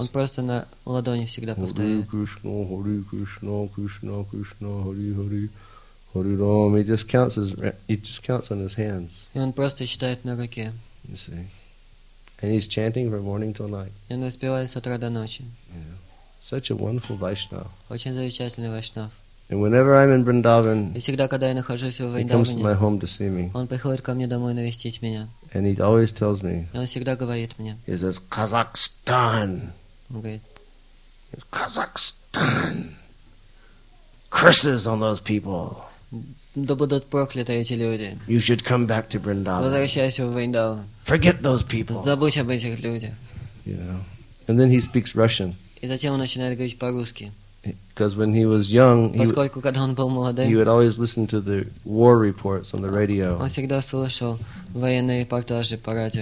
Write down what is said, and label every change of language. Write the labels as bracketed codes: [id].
[ru] Он просто на ладони всегда повторяет. [sa] Hare Krishna, Hare Krishna, Krishna Krishna, Hare Hare. [en] Hare Ram, he just counts on his hands. [ru] И он просто считает на руке. [en] You see. And he's chanting from morning till night. [ru] И он воспевает с утра до ночи. [en] Yeah. Such a wonderful Vaishnav. [ru] Очень замечательный Вайшнав. [en] And whenever I'm in Vrindavan, [ru] и всегда, когда я нахожусь в Вриндаване, [en] he comes to my home to see me. [ru] Он приходит ко мне домой навестить меня. [en] And he always tells me. [ru] И он всегда говорит мне. [en] He says, Kazakhstan. [ru] Он говорит. [en] Kazakhstan. Curses on those people. [ru] Да будут прокляты эти люди. [en] You should come back to Vrindavan. [ru] Возвращайся в Вриндаван. [en] Forget those people. [ru] Забудь об этих людях. [en] You know. And then he speaks Russian. [ru] И затем он начинает говорить по-русски. [en] Because when he was young, [ru] поскольку когда он был молодым, [en] he would always listen to the war reports on the radio. [ru] Он всегда слышал военные репортажи по радио.